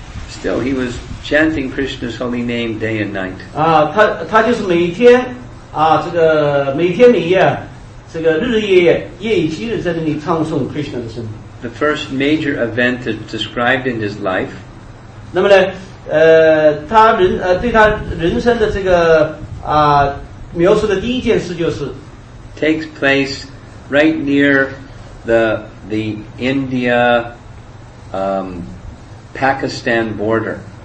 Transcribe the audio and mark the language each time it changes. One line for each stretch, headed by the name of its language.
English: Still, he was chanting Krishna's holy name day and night.
Chinese: 他就是每天，这个每天每夜，这个日日夜夜，夜以继日在那里唱诵Krishna的圣名。
English: The first major event is described in his life.
Chinese: 那么呢，他对他人生的这个描述的第一件事就是
English: takes place right near the India Pakistan border.